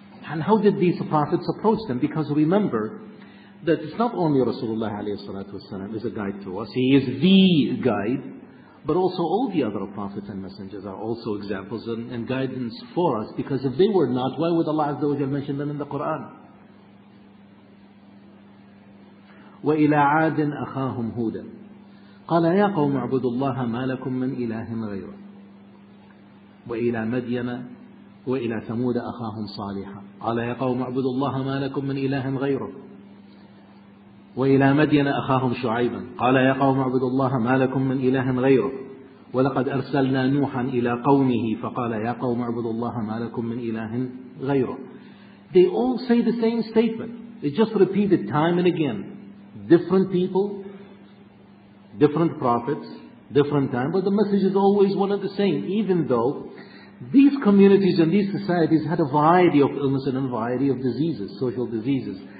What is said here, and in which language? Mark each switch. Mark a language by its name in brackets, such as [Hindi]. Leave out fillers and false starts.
[English] And how did these prophets approach them? Because remember, that it's not only Rasulullah alayhi salatu wasalam is a guide to us, he is the guide, but also all the other prophets and messengers are also examples and guidance for us, because if they were not, why would Allah Azza wa Jalla mention them in the Quran? [Arabic] وَإِلَىٰ عَادٍ أَخَاهُمْ هُودًا قَالَ يَا قَوْمِ اعْبُدُوا اللَّهَ مَا لَكُمْ مِنْ إِلَٰهٍ غَيْرُهُ وَإِلَىٰ مَدْيَنَ وَإِلَىٰ ثَمُودَ أَخَاهُمْ صَالِحًا قَالَ يَا قَوْمِ اعْبُدُوا اللَّهَ مَا لَكُمْ مِنْ إِلَٰهٍ غَيْرُهُ وإلى مدين أخاهم شعيبا قال يا قوم اعبدوا الله ما لكم من إله غيره ولقد أرسلنا نوحا إلى قومه فقال يا قوم اعبدوا الله ما لكم من إله غيره. [English] They all say the same statement. It's just repeated time and again. Different people, different prophets, different time, but the message is always one and the same, even though these communities and these societies had a variety of illnesses and a variety of diseases, social diseases.